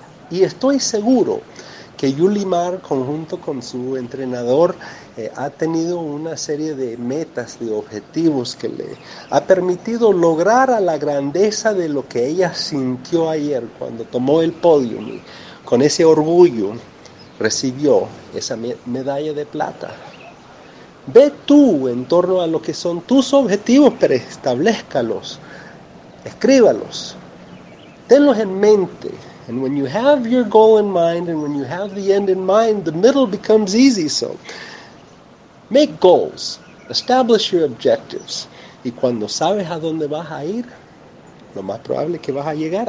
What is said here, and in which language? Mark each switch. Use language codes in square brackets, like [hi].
[es] Y estoy seguro que Yulimar, conjunto con su entrenador, ha tenido una serie de metas, de objetivos que le ha permitido lograr a la grandeza de lo que ella sintió ayer cuando tomó el podio y con ese orgullo recibió esa medalla de plata. Ve tú en torno a lo que son tus objetivos, pero establézcalos, escríbalos, tenlos en mente. [en] And when you have your goal in mind, and when you have the end in mind, the middle becomes easy. So, make goals. Establish your objectives. [es] Y cuando sabes a dónde vas a ir, lo más probable es que vas a llegar.